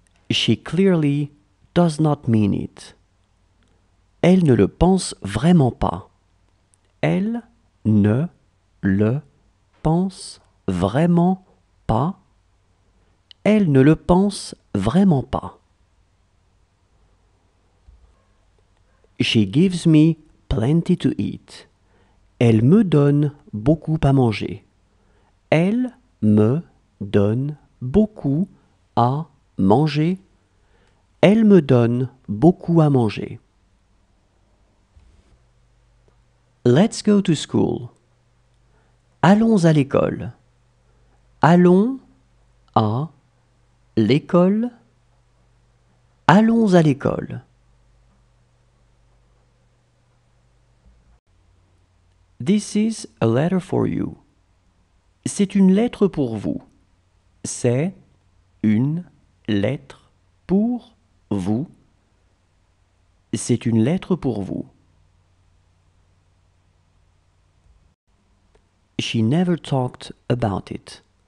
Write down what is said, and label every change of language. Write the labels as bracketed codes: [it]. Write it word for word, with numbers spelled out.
[en] She clearly does not mean it. [fr] Elle ne le pense vraiment pas. Elle ne le pense vraiment pas. Elle ne le pense vraiment pas. [en] She gives me plenty to eat. [fr] Elle me donne beaucoup à manger. Elle me donne beaucoup à manger. Elle me donne beaucoup à manger. [en] Let's go to school. [fr] Allons à l'école. Allons à l'école. Allons à l'école. [en] This is a letter for you. [fr] C'est une lettre pour vous. C'est une lettre pour vous. C'est une lettre pour vous. [en] She never talked about it.